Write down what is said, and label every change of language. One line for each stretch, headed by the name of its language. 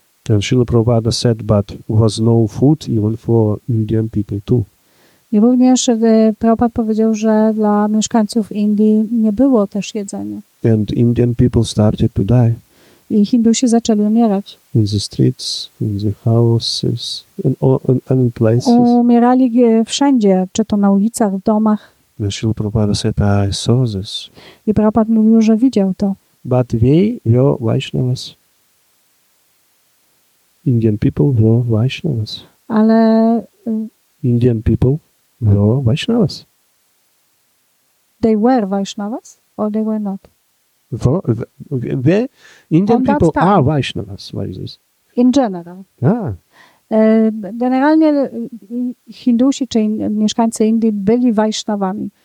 English: And Śrīla Prabhupāda said, but was no food even for Indian people too.
Polish: I również Prabhupada powiedział, że dla mieszkańców Indii nie było też jedzenia.
English: And Indian people started to die.
Polish: I Hindusi zaczęli umierać.
English: In the streets, in the houses, in places.
Polish: Umierali wszędzie, czy to na ulicach, w domach.
English: And Śrīla Prabhupāda said, I saw this.
Polish: I Prabhupada mówił, że widział to.
English: But we Vaishnavas. Indian people were Vaishnavas.
Polish: Ale
English: Indian people were Vaishnavas. They were Vaishnavas or they were not? The Indian people are Vaishnavas. What is this? In general. Ah.
Polish: Generalnie Hindusi czy mieszkańcy Indii byli Vaishnavami.